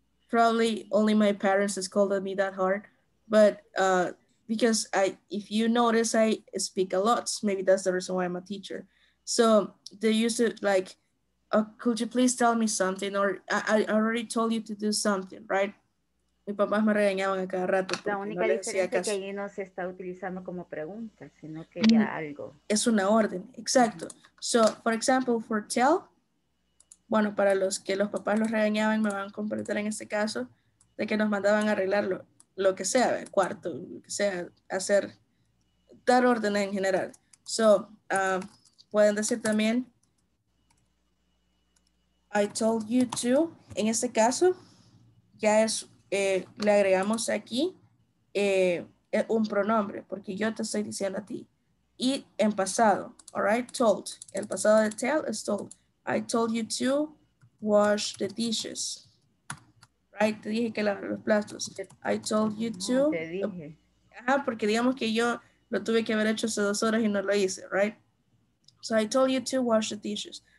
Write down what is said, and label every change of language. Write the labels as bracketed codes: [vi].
[en] Probably only my parents has called me that hard, but because if you notice, I speak a lot. Maybe that's the reason why I'm a teacher. So they used to like, oh, could you please tell me something? Or I already told you to do something, right? [es] Mi papá me regañaban a cada rato. La única diferencia es que ahí no se está utilizando como pregunta, sino que ya algo. Es una orden, exacto. [en] So for example, for tell, [es] bueno, para los que los papás los regañaban, me van a comprender en este caso, de que nos mandaban a arreglar lo que sea, el cuarto, lo que sea, hacer, dar órdenes en general. So, pueden decir también, [en] I told you to, [es] en este caso, ya es, le agregamos aquí un pronombre, porque yo te estoy diciendo a ti. Y en pasado, [en] all right, [es] told, el pasado de tell es told. [en] I told you to wash the dishes, right? [es] Te dije que lavar los platos. [en] I told you to. [es] Te dije. Ah, porque digamos que yo lo tuve que haber hecho hace dos horas y no lo hice, [en] right? So I told you to wash the dishes.